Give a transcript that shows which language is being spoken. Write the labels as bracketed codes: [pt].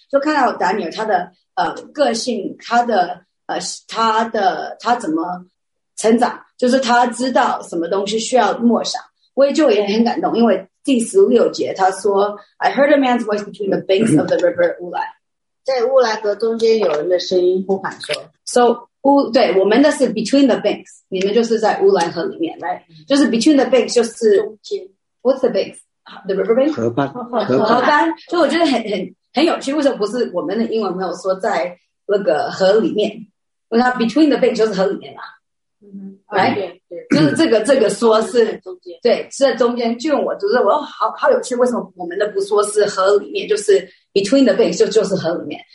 [zh] 就看到丹尼尔他的个性，他怎么成长，就是他知道什么东西需要默想。我也就也很感动，因为第16节他说 ： “I heard a man's voice between the banks of the river Ulai，在乌来河中间有人的声音呼喊说，So。” 对，我们的是 between the banks， 你们就是在乌来河里面 ，right？就是 between the banks， 就是 what's the banks？ [en] The river bank？ [zh] 河畔。就我觉得很有趣，为什么不是我们的英文没有说在那个河里面？因为它 between the banks 就是河里面嘛， [en] right？ [zh] 就是这个说是对，是在中间。就我觉得我好有趣，为什么我们的不说是河里面，就是 between the banks 就是河里面？